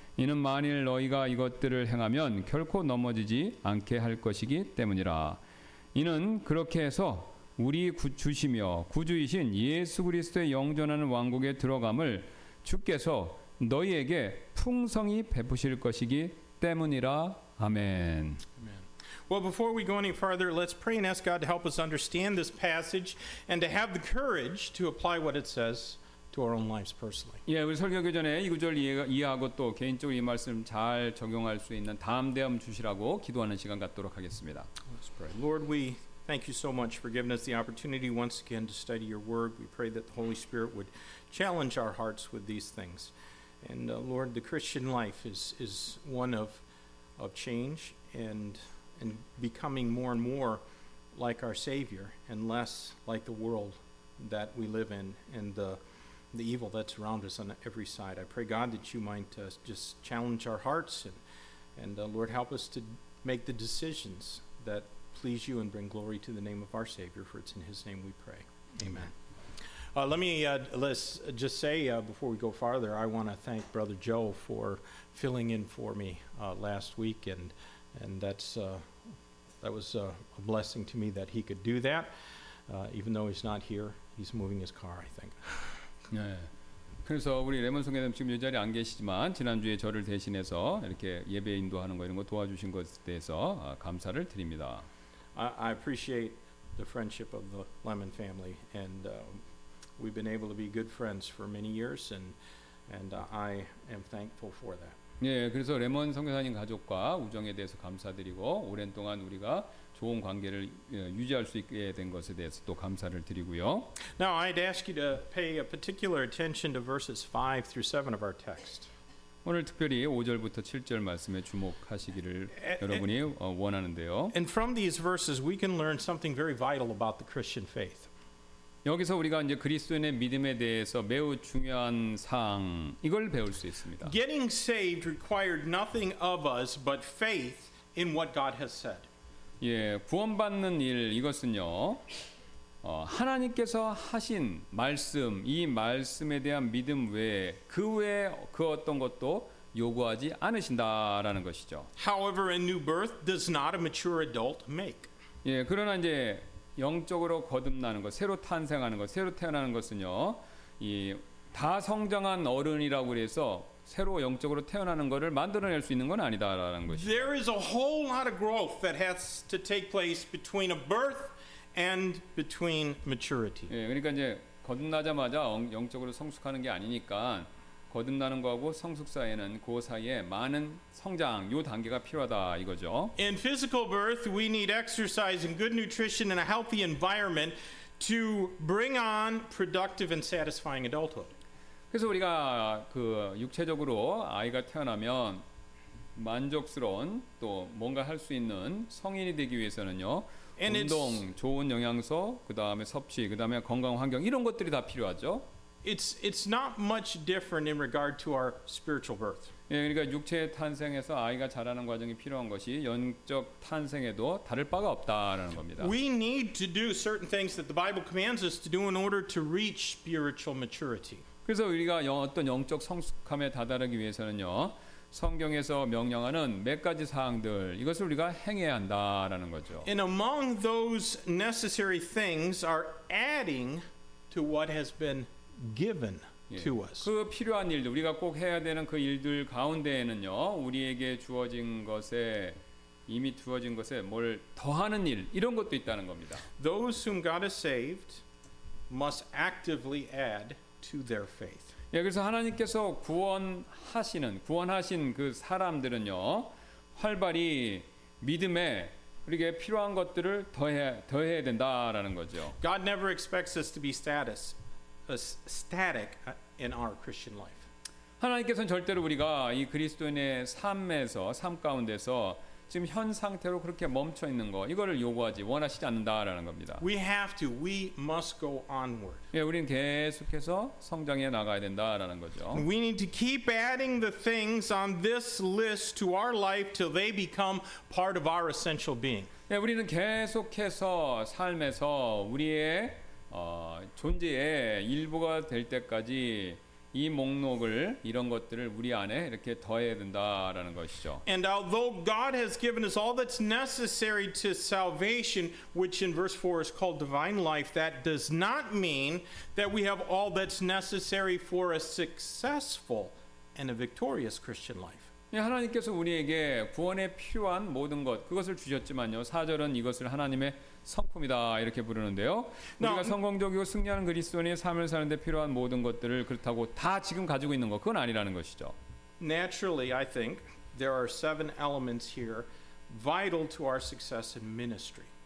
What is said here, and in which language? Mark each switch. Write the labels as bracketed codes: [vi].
[ko] 이는 만일 너희가 이것들을 행하면 결코 넘어지지 않게 할 것이기 때문이라. 이는 그렇게 해서 우리 주시며 구주이신 예수 그리스도의 영존하는 왕국에 들어감을 주께서 너희에게 풍성히 베푸실 것이기 때문이라. 아멘. [en] Well, before we go any farther, let's pray and ask God to help us understand this passage and to have the courage to apply what it says to our own lives personally. [ko] 예, 우리 설교 전에 이 구절 이해하고 또 개인적으로 이 말씀 잘 적용할 수 있는 담대함 주시라고 기도하는 시간 갖도록 하겠습니다. [en] Let's pray. Lord, we thank you so much for giving us the opportunity once again to study your word. We pray that the Holy Spirit would challenge our hearts with these things. And Lord, the Christian life is one of change and becoming more and more like our Savior and less like the world that we live in and the evil that's around us on every side. I pray, God, that you might just challenge our hearts and Lord, help us to make the decisions that please you and bring glory to the name of our Savior, for it's in his name we pray. Amen. Let's just say before we go farther, I want to thank Brother Joe for filling in for me last week, and that was a blessing to me that he could do that. Even though he's not here, he's moving his car, I think. [ko] 네. 그래서 우리 레몬 선생님 지금 이 자리에 안 계시지만 지난주에 저를 대신해서 이렇게 예배 인도하는 거 이런 거 도와주신 것에 대해서 감사를 드립니다. [en] I appreciate the friendship of the Lemon family, and we've been able to be good friends for many years, and I am thankful for that. [ko] 예, 그래서 레몬 선교사님 가족과 우정에 대해서 감사드리고 오랜 동안 우리가 좋은 관계를 유지할 수 있게 된 것에 대해서 또 감사를 드리고요. [en] Now I'd ask you to pay a particular attention to verses 5 through 7 of our text. [ko] 오늘 특별히 5절부터 7절 말씀에 주목하시기를 여러분이 원하는데요. [en] And from these verses we can learn something very vital about the Christian faith. [ko] 여기서 우리가 이제 그리스도인의 믿음에 대해서 매우 중요한 사항 이걸 배울 수 있습니다. [en] Getting saved required nothing of us but faith in what God has said. [ko] 예, 구원받는 일 이것은요. 하나님께서 하신 말씀, 이 말씀에 대한 믿음 외에 그 외에 그 어떤 것도 요구하지 않으신다라는 것이죠. [en] However, a new birth does not a mature adult make. [ko] 예, 그러나 이제 영적으로 거듭나는 것, 새로 탄생하는 것, 새로 태어나는 것은요. 이 다 성장한 어른이라고 해서 새로 영적으로 태어나는 것을 만들어낼 수 있는 건 아니다라는 것이죠. [en] There is a whole lot of growth that has to take place between a birth and between maturity. [ko] 예, 그러니까 이제 거듭나자마자 영적으로 성숙하는 게 아니니까 거듭나는 거하고 성숙 사이에는 그 사이에 많은 성장 요 단계가 필요하다 이거죠. [en] In physical birth, we need exercise and good nutrition and a healthy environment to bring on productive and satisfying adulthood. [ko] 그래서 우리가 그 육체적으로 아이가 태어나면 만족스러운 또 뭔가 할 수 있는 성인이 되기 위해서는요. 운동, 좋은 영양소, 그다음에 섭취, 그다음에 건강 환경 이런 것들이 다 필요하죠. [en] It's not much different in regard to our spiritual birth. [ko] 예, 그러니까 육체 탄생에서 아이가 자라는 과정이 필요한 것이 영적 탄생에도 다를 바가 없다라는 겁니다. [en] We need to do certain things that the Bible commands us to do in order to reach spiritual maturity. [ko] 그래서 우리가 어떤 영적 성숙함에 다다르기 위해서는요. 성경에서 명령하는 몇 가지 사항들 이것을 우리가 행해야 한다라는 거죠. [en] And among those necessary things are adding to what has been given to us. [ko] 그 필요한 일들 우리가 꼭 해야 되는 그 일들 가운데에는요. 우리에게 주어진 것에 이미 주어진 것에 뭘 더하는 일 이런 것도 있다는 겁니다. [en] Those whom God has saved must actively add to their faith. [ko] 예, 그래서 하나님께서 구원하시는 구원하신 그 사람들은요 활발히 믿음에 우리에게 필요한 것들을 더해야 된다라는 거죠. [en] God never expects us to be static in our Christian life. [ko] 하나님께서는 절대로 우리가 이 그리스도인의 삶에서 삶 가운데서 지금 현 상태로 그렇게 멈춰 있는 거 이거를 요구하지 원하시지 않는다라는 겁니다. [en] We have to, we must go onward. [ko] 예, 우리는 계속해서 성장해 나가야 된다라는 거죠. [en] We need to keep adding the things on this list to our life till they become part of our essential being. [ko] 예, 우리는 계속해서 삶에서 우리의 존재의 일부가 될 때까지 이 목록을 이런 것들을 우리 안에 이렇게 더해야 된다라는 것이죠. [en] And although God has given us all that's necessary to salvation, which in verse 4 is called divine life, that does not mean that we have all that's necessary for a successful and a victorious Christian life. [ko] 예, 하나님께서 우리에게 구원에 필요한 모든 것 그것을 주셨지만요. 4절은 이것을 하나님의 성품이다 이렇게 부르는데요. 우리가 성공적이고 승리하는 그리스도인의 삶을 사는 데 필요한 모든 것들을 그렇다고 다 지금 가지고 있는 것 그건 아니라는 것이죠. [en] Naturally, I think there are seven elements here vital to our success in ministry.